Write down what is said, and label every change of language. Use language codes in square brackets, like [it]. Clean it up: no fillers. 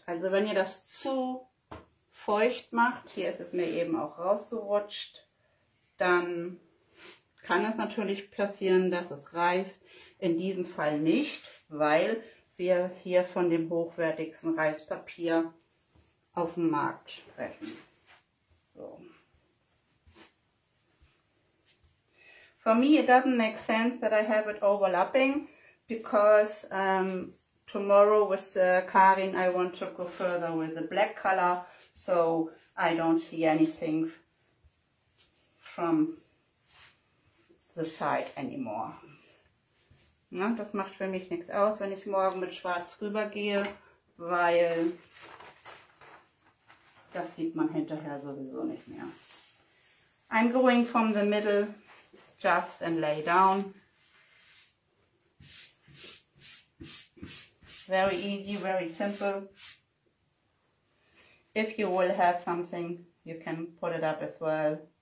[de] Also wenn ihr das zu feucht macht, hier ist es mir eben auch rausgerutscht, dann kann es natürlich passieren, dass es reißt. In diesem Fall nicht, weil wir hier von dem hochwertigsten Reispapier auf dem Markt sprechen. So. [en] For me it doesn't make sense that I have it overlapping, because tomorrow with Karin I want to go further with the black color, so I don't see anything from the side anymore. [de] Na, das macht für mich nichts aus, wenn ich morgen mit Schwarz rübergehe, weil das sieht man hinterher sowieso nicht mehr. [en] I'm going from the middle just and lay down. Very easy, very simple. If you will have something, you can put it up as well.